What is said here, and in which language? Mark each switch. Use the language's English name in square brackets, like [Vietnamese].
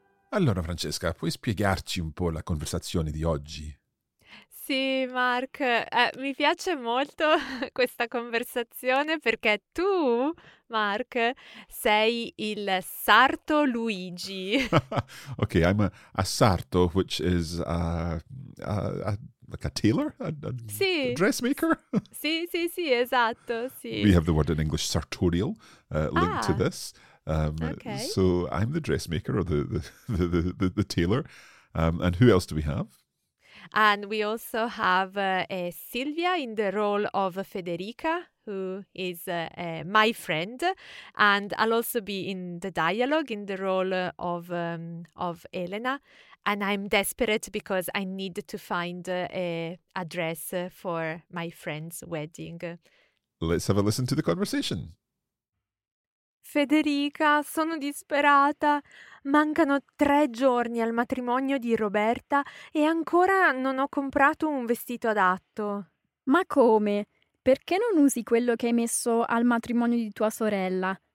[Italian] Allora, Francesca, puoi spiegarci un po' la conversazione di oggi? Sì, Mark, mi piace molto questa conversazione perché tu, Mark, sei il Sarto Luigi. [English] Okay, I'm a Sarto, which is like a tailor? [Italian] Sì. [English] A dressmaker? [Italian] Sì, sì, sì, esatto, sì. [English] We have the word in English, sartorial, linked to this. Okay. So I'm the dressmaker or the tailor. And who else do we have? And we also have Silvia in the role of Federica, who is my friend. And I'll also be in the dialogue in the role of Elena. And I'm desperate because I need to find a dress for my friend's wedding. Let's have a listen to the conversation. [Italian] Federica, sono disperata. Mancano 3 giorni al matrimonio di Roberta e ancora non ho comprato un vestito adatto. Ma come? Perché non usi quello che hai messo al matrimonio di tua sorella?